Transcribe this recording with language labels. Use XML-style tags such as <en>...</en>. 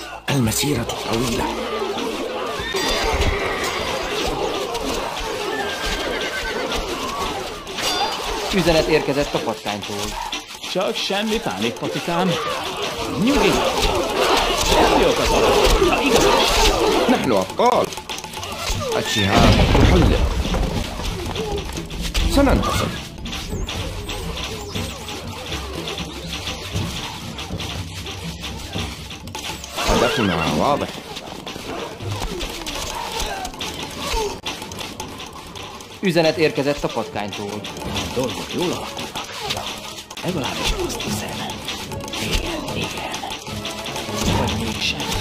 <ar>المسيرة طويلة.</ar> <hu>üzenet érkezett a kapitánytól. Csak semmi pánik, kapitán. Nyugi!</hu> <ar>فيك نحن أبطال الشهاب تحلق سننتصر هدفنا واضح</ar> <hu>Üzenet érkezett a patkánytól. A dolgok jól alakultak. Ja, legalábbis azt hiszem. Igen, igen. Vagy mégsem.</hu>